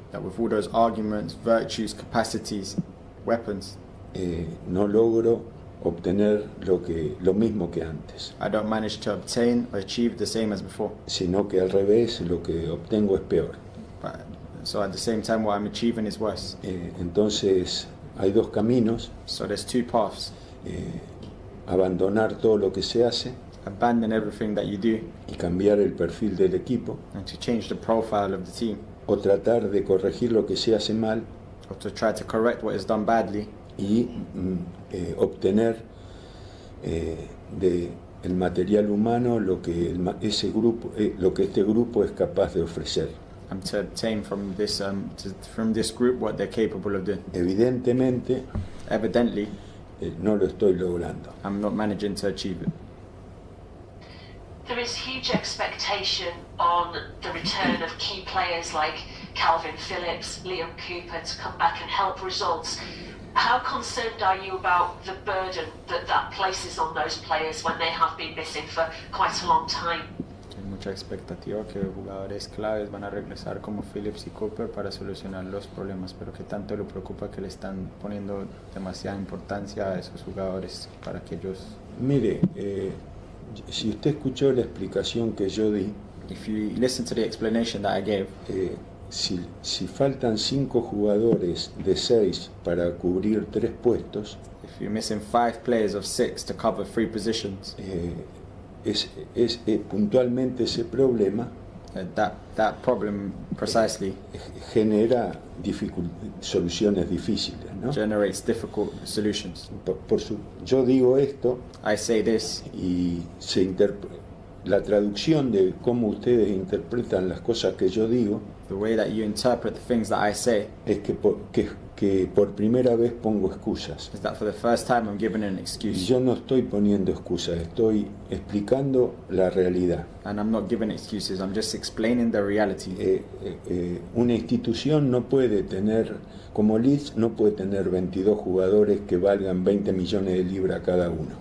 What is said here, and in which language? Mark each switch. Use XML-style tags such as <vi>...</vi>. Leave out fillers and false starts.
<en>that with all those arguments, virtues, capacities, weapons,</en> <es>no logro obtener lo mismo que antes.</es> <en>I don't manage to obtain or achieve the same as before.</en> <es>Sino que al revés, lo que obtengo es peor.</es> <en>But, so at the same time, what I'm achieving is worse.</en> <es>Entonces, hay dos caminos.</es> <en>So there's two paths.</en> <es>Abandonar todo lo que se hace.</es> <en>Abandon everything that you do.</en> <es>Y cambiar el perfil del equipo.</es> <en>And to change the profile of the team.</en> <es>O tratar de corregir lo que se hace mal.</es> <en>Or to try to correct what is done badly.</en> <es>Y obtener de el material humano lo que ese grupo lo que este grupo es capaz de ofrecer.</es> <en>And to obtain from this from this group what they're capable of doing.</en> <es>Evidentemente,</es> <en>evidently,</en> <es>no lo estoy logrando.</es> <en>I'm not managing to achieve it. There is huge expectation on the return of key players like Calvin Phillips, Liam Cooper to come back and help results. How concerned are you about the burden that that places on those players when they have been missing for quite a long time?</en> <es>Hay mucha expectativa que jugadores claves van a regresar como Phillips y Cooper para solucionar los problemas, pero ¿qué tanto le preocupa que le están poniendo demasiada importancia a esos jugadores para que ellos...? Mire, si usted escuchó la explicación que yo di,</es> <en>if you listen to the explanation that I gave,</en> <es>si faltan 5 jugadores de 6 para cubrir 3 puestos,</es> <en>if you're missing 5 players of 6 to cover 3 positions,</en> <es>es puntualmente ese problema</es> <en>that problem precisely</en> <es>genera soluciones difíciles, ¿no?</es> <en>Generates difficult solutions.</en> <es>Yo digo esto,</es> <en>I say this,</en> <es>y se la traducción de cómo ustedes interpretan las cosas que yo digo,</es> <en>the way that you interpret the things that I say,</en> <es>es que que por primera vez pongo excusas.</es> <en>Is that for the first time I'm giving an excuse?</en> <es>Yo no estoy poniendo excusas, estoy explicando la realidad.</es> <en>And I'm not giving excuses, I'm just explaining the reality.</en> <es>Una institución no puede tener, como Leeds, no puede tener 22 jugadores que valgan 20 millones de libras cada uno.</es>